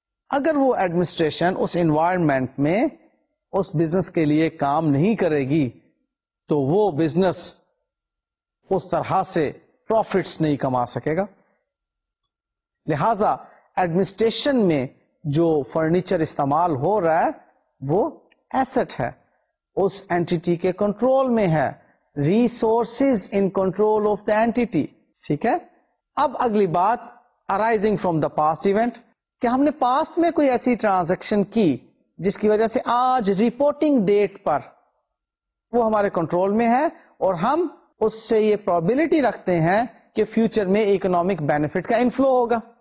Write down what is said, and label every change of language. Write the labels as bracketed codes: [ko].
[ur] اگر وہ ایڈمنسٹریشن اس انوائرمنٹ میں اس بزنس کے لیے کام نہیں کرے گی تو وہ بزنس اس طرح سے پروفٹس نہیں کما سکے گا. لہذا ایڈمنسٹریشن میں جو فرنیچر استعمال ہو رہا ہے وہ ایسٹ ہے, اس اینٹیٹی کے کنٹرول میں ہے. [en] Resources in control of the entity. [ur] ٹھیک ہے, اب اگلی بات arising from the past event, کہ ہم نے پاسٹ میں کوئی ایسی ٹرانزیکشن کی جس کی وجہ سے آج رپورٹنگ ڈیٹ پر وہ ہمارے کنٹرول میں ہے اور ہم اس سے یہ پروبیبلٹی رکھتے ہیں کہ فیوچر میں اکنامک بینیفٹ کا انفلو ہوگا.